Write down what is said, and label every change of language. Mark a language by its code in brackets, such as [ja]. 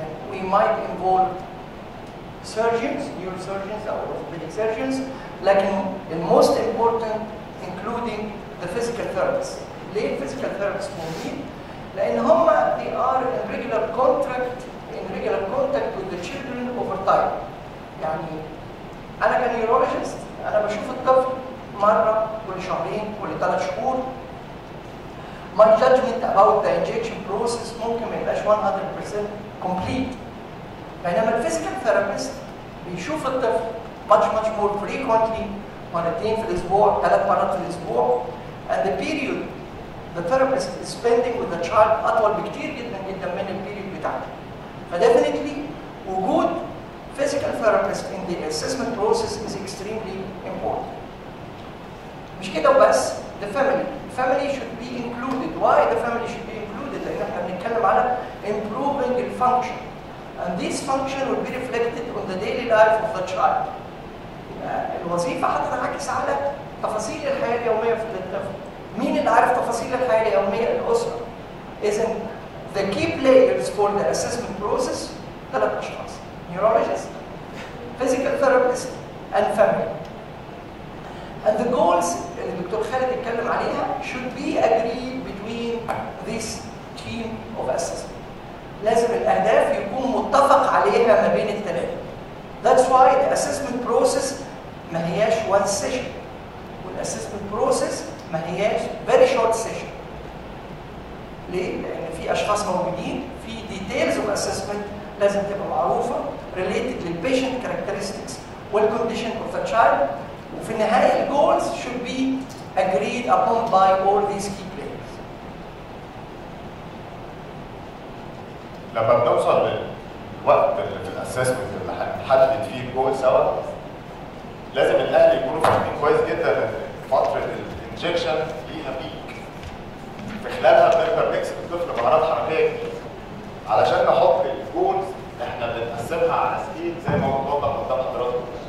[en] We might involve surgeons, neurosurgeons, or orthopedic surgeons. Like the most important, including the physical therapists. Lay physical therapists for me. In Homa, they are in regular contact, with the children over time. [ar] يعني أنا كنيورولوجيست أنا بشوف الطفل مرة كل شهرين كل ثلاث شهور. [en] my judgment about the injection process [ar] ممكن ما يبقاش [en] 100% complete. [ar] بينما الفيزيكال ثيرابيست بيشوف الطفل [en] much much more frequently, [ar] مرتين في الاسبوع، ثلاث مرات في الاسبوع. [en] And the period the therapist is spending with the child [ar] اطول بكتير جدا جدا من البيريود بتاعته. فديفينتلي وجود [en] physical therapist in the assessment process is extremely important. [ar] مش كده وبس، [en] the family. The family should be included. Why the family should be included؟ [ar] لان احنا بنتكلم على [en] improving the function. And this function will be reflected on the daily life of the child. [ar] الوظيفة هتنعكس على تفاصيل الحياة اليومية في الطفل. مين اللي عارف تفاصيل الحياة اليومية؟ الأسرة. [en] إذن the key players for the assessment process [ar] ثلاث أشخاص: [en] neurologist, physical therapist, and family. And the goals [ar] اللي الدكتور خالد اتكلم عليها [en] should be agreed between this team of assessment. [ar] لازم الأهداف يكون متفق عليها ما بين الثلاثة. [en] That's why the assessment process [ar] ما هياش [en] one session. والassessment process [ar] ما هياش [en] very short session. [ar] ليه؟ لأن في أشخاص موجودين، في [en] details of assessment [ar] لازم تبقى معروفة related لل [en] patient characteristics [ar] والcondition of the child. وفي النهاية الـ [en] goals should be agreed upon by all these key players. [ar] لما بنوصل للوقت اللي في الassessment اللي هنحدد فيه الـ goals سوا، لازم الأهل يكونوا فاهمين كويس جدا إن فترة الإنجكشن ليها بيك. في خلالها بنقدر نكسب الطفل مهارات حركية كتير. علشان نحط الجولز إحنا بنقسمها على سكيل زي ما بنوضح قدام حضراتكم.